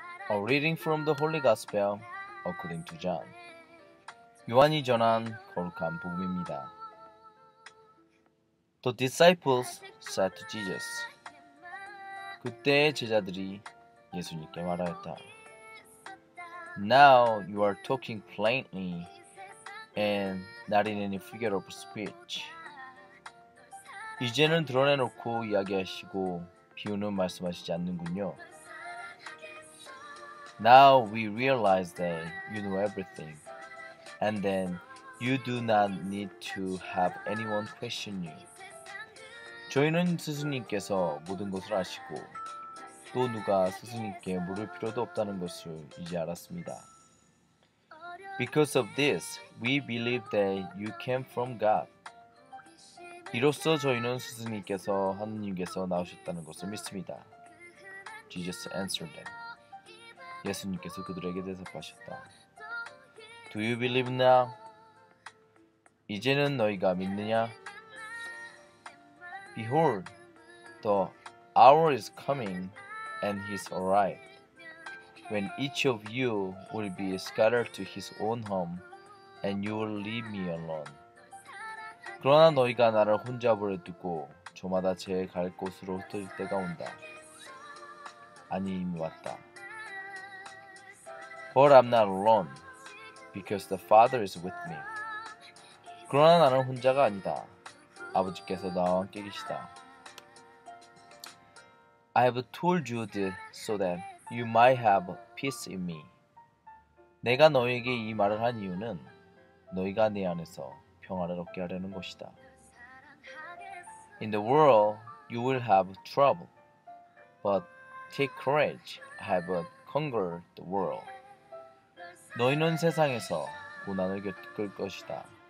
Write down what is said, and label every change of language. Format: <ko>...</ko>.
<en>A reading from the Holy Gospel according to John.</en> <ko>요한이 전한 거룩한 복음입니다.</ko> <en>The disciples said to Jesus.</en> <ko>그때 제자들이 예수님께 말하였다.</ko> <en>Now you are talking plainly and not in any figure of speech.</en> <ko>이제는 드러내놓고 이야기하시고 비우는 말씀하시지 않는군요.</ko> <en>Now we realize that you know everything, and then you do not need to have anyone question you.</en> <ko>저희는 스승님께서 모든 것을 아시고 또 누가 스승님께 물을 필요도 없다는 것을 이제 알았습니다.</ko> <en>Because of this, we believe that you came from God.</en> <ko>이로써 저희는 스승님께서 하느님께서 나오셨다는 것을 믿습니다.</ko> <en>Jesus answered them.</en> <ko>예수님께서 그들에게 대답하셨다.</ko> <en>Do you believe now?</en> <ko>이제는 너희가 믿느냐?</ko> <en>Behold, the hour is coming and he's arrived, when each of you will be scattered to his own home and you will leave me alone.</en> <ko>그러나 너희가 나를 혼자 버려두고 저마다 제 갈 곳으로 흩어질 때가 온다. 아니, 이미 왔다.</ko> <en>But I'm not alone, because the Father is with me.</en> <ko>그러나 나는 혼자가 아니다. 아버지께서 나와 함께 계시다.</ko> <en>I have told you this so that you might have peace in me.</en> <ko>내가 너희에게 이 말을 한 이유는 너희가 내 안에서 평화를 얻게 하려는 것이다.</ko> <en>In the world, you will have trouble. But take courage, I have conquered the world.</en> <ko>너희는 세상에서 고난을 겪을 것이다.</ko>